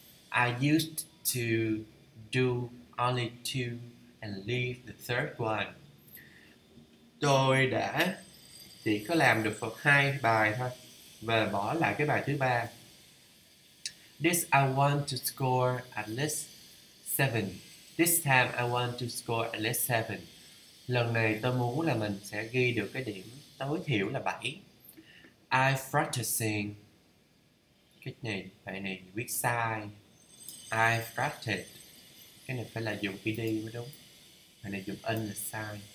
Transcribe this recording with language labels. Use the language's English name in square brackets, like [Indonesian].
[English] I used to do only two and leave the third one. [Vietnamese] Tôi đã chỉ có làm được phần hai bài thôi và bỏ lại cái bài thứ ba. [English] This I want to score at least 7. This time I want to score at least 7. [Vietnamese] Lần này tôi muốn là mình sẽ ghi được cái điểm tối thiểu là 7. [English] I'm practicing. [Vietnamese] Cái này, bài này viết sai. [English] I practiced. [Vietnamese] Cái này phải là dùng PD mới đúng. Bài này dùng in là sai.